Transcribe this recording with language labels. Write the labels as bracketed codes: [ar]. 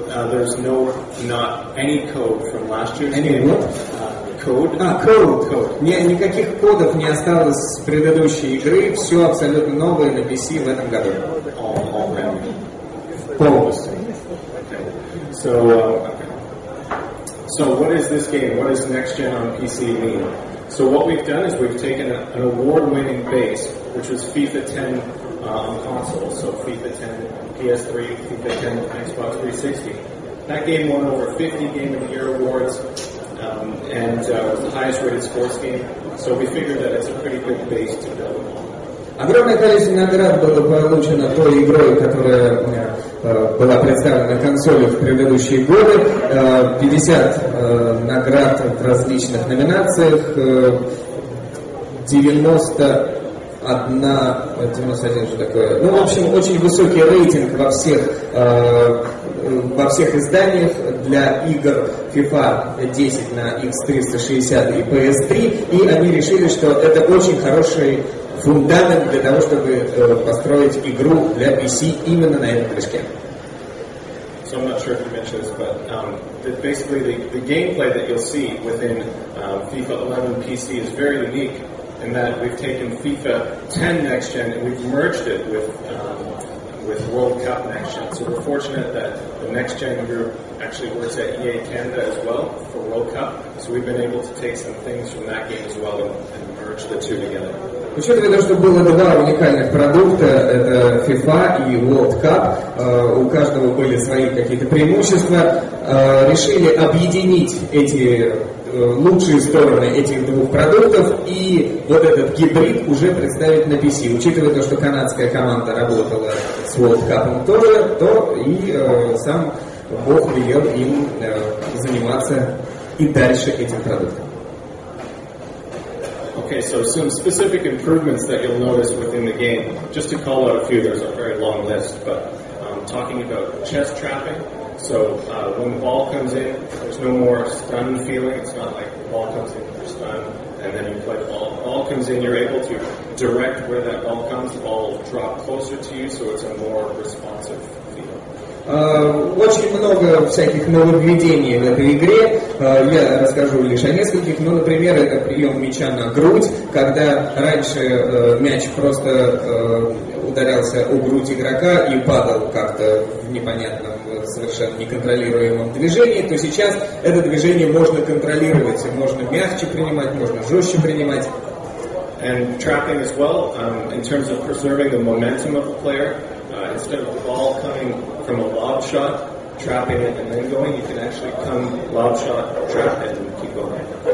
[en] There's no, not any code from last year's any game. Any what? Code. Code. [ru] Никаких кодов не осталось с предыдущей игры, все абсолютно новое на PC в этом году. [en] All around. [ru] Полностью. [en] So what is this game? What does next gen on PC mean? So what we've done is we've taken an award-winning base, which was FIFA 10 on consoles, so FIFA 10 PS3, FIFA 10 Xbox 360. That game won over 50 Game of the Year awards, and was the highest-rated sports game. So we figured that it's a pretty good base to build. [ru] Огромное количество наград было получено той игрой, которая была представлена на консоли в предыдущие годы. 50 наград в различных номинациях, 91 что такое. Ну, в общем, очень высокий рейтинг во всех изданиях для игр FIFA 10 на X360 и PS3, и они решили, что это очень хороший фундамент для того, чтобы построить игру для PC именно на этом движке. [en] So I'm not sure if you mentioned this, but basically the gameplay that you'll see within FIFA 11 PC is very unique in that we've taken FIFA 10 Next Gen and we've merged it with World Cup Next Gen. So we're fortunate that the Next Gen group actually works at EA Canada as well for World Cup. So we've been able to take some things from that game as well and merge the two together. [ru] Учитывая то, что было два уникальных продукта, это FIFA и World Cup, у каждого были свои какие-то преимущества, решили объединить эти лучшие стороны этих двух продуктов и вот этот гибрид уже представить на PC. Учитывая то, что канадская команда работала с World Cup тоже, то и сам Бог велел им заниматься и дальше этим продуктом. [en] Okay, so some specific improvements that you'll notice within the game. Just to call out a few, there's a very long list, but talking about chest trapping. So when the ball comes in, there's no more stun feeling. It's not like the ball comes in, you're stunned, and then you play the ball. The ball comes in, you're able to direct where that ball comes. The ball will drop closer to you, so it's a more responsive feel. [ru] Очень много всяких нововведений в этой игре. Я расскажу лишь о нескольких. Ну, например, это прием мяча на грудь, когда раньше мяч просто ударялся о грудь игрока и падал как-то в непонятном, совершенно неконтролируемом движении, то сейчас это движение можно контролировать. Можно мягче принимать, можно жестче принимать. [en] And tracking as well, in terms of preserving the momentum of the player, instead of the ball coming from a lob shot, trapping it and then going, you can actually come lob shot, trap it and keep going.